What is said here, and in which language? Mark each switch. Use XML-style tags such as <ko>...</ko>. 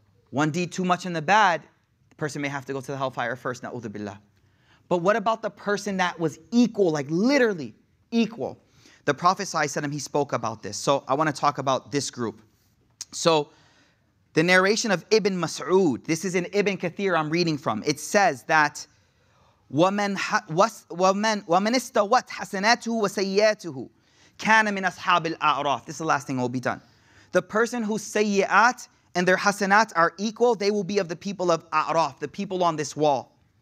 <en>One deed too much in the bad, the person may have to go to the hellfire first, na'udhu billah. But what about the person that was equal, like literally equal? The Prophet ﷺ, he spoke about this. So I want to talk about this group. So the narration of Ibn Mas'ud, this is in Ibn Kathir I'm reading from. It says that,</en> <ar>وَمَنْ اسْتَوَتْ حَسَنَاتُهُ وَسَيِّئَاتُهُ كَانَ مِنْ أَصْحَابِ الْأَعْرَافِ.</ar> <en>This is the last thing that will be done. The person whose sayyat and their hasanat are equal, they will be of the people of A'raf, the people on this wall.</en>